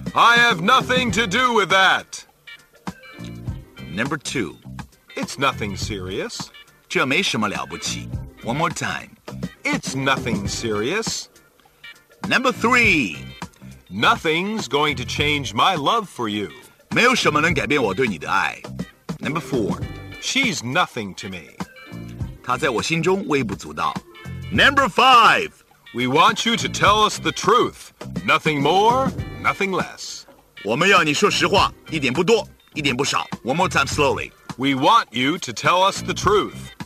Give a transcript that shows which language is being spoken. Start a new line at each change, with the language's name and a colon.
English: I have nothing to do with that. Number 2. It's nothing serious.
Chinese: 这没什么了不起。
English: One more time. It's nothing serious. Number 3. Nothing's going to change my love for you.
Chinese: 没有什么能改变我对你的爱。
English: Number 4. She's nothing to me.
Chinese: 她在我心中微不足道。
English: Number 5. We want you to tell us the truth. Nothing more, nothing less.
Chinese: 我们要你说实话，一点不多，一点不少。
English: One more time slowly. We want you to tell us the truth.